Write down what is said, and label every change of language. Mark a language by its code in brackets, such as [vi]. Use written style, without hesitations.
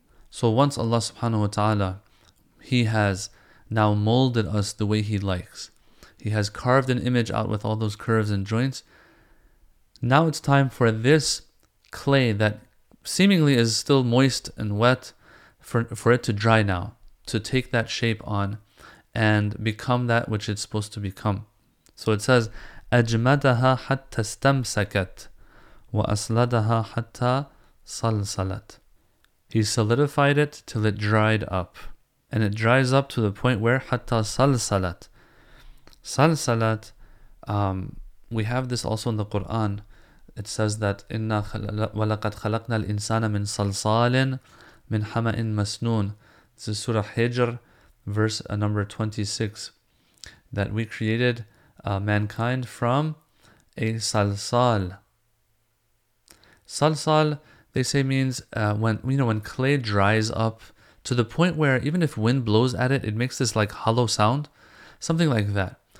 [en] So once Allah subhanahu wa ta'ala, he has now molded us the way he likes, he has carved an image out with all those curves and joints, now it's time for this clay that seemingly is still moist and wet, for it to dry now, to take that shape on and become that which it's supposed to become. [ar] So it says, أَجْمَدَهَا حَتَّى اسْتَمْسَكَتْ وَأَسْلَدَهَا حَتَّى صَلْصَلَتْ. [en] He solidified it till it dried up. And it dries up to the point where [ar] حَتَّى صَلْصَلَتْ. [en] صَلْصَلَتْ, we have this also in the Quran. It says that [ar] إِنَّا وَلَقَدْ خَلَقْنَا الْإِنسَانَ مِنْ صَلْصَالٍ مِنْ حَمَئٍ مَسْنُونَ. [en] This is Surah Hijr, verse number 26, that we created mankind from a salsal. Salsal, they say, means when clay dries up to the point where even if wind blows at it, it makes this like hollow sound, something like that.